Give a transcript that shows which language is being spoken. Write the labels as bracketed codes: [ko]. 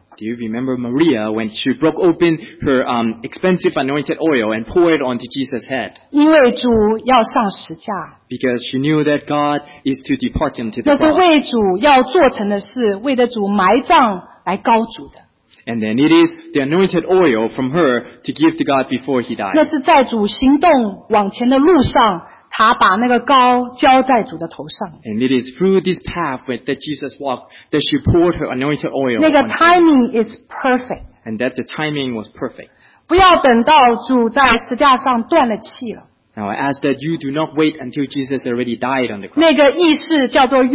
[en] Do you remember Maria when she broke open her expensive anointed oil and poured it onto Jesus' head? [zh] 因为主要上十架。 [en] Because she knew that God is to depart into the cross. [zh] 那是为主要做成的事，为了主埋葬来膏主的。 [en] And then it is the anointed oil from her to give to God before he died. [zh] 那是在主行动往前的路上。他把那个膏浇在主的头上。 [en] And it is through this path that Jesus walked that she poured her anointed oil. [zh] 那个 [en] timing is perfect. And that the timing was perfect. [zh] 不要等到主在十字架上断了气了。 [en] Now I ask that you do not wait until Jesus already died on the cross.